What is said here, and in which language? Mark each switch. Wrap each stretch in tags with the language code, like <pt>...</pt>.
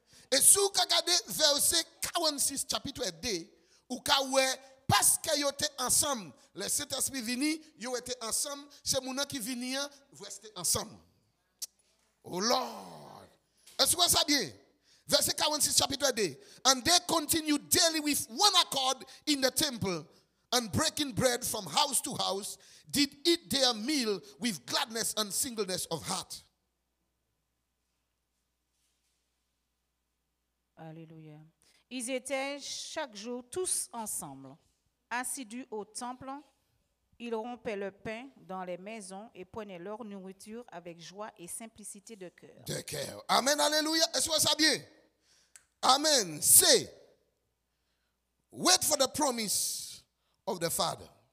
<fr>Et si vous regardez verset 46, chapitre 2, où parce que vous êtes ensemble, le Saint-Esprit vini, vous êtes ensemble, c'est mon qui vini, vous restez ensemble.</fr> <en>Oh Lord.</en> <fr>Est-ce que vous voyez ça bien? Verset 46, chapitre 2.</fr> <en>And they continued daily with one accord in the temple, and breaking bread from house to house, did eat their meal with gladness and singleness of heart. Alléluia.</en> <fr>Ils étaient chaque jour tous ensemble, assidus au temple. Ils rompaient le pain dans les maisons et prenaient leur nourriture avec joie et simplicité de cœur. De cœur. Amen, alléluia. Est-ce que ça bien? Amen.</fr> <en>Say, wait for the promise of the Father.</en>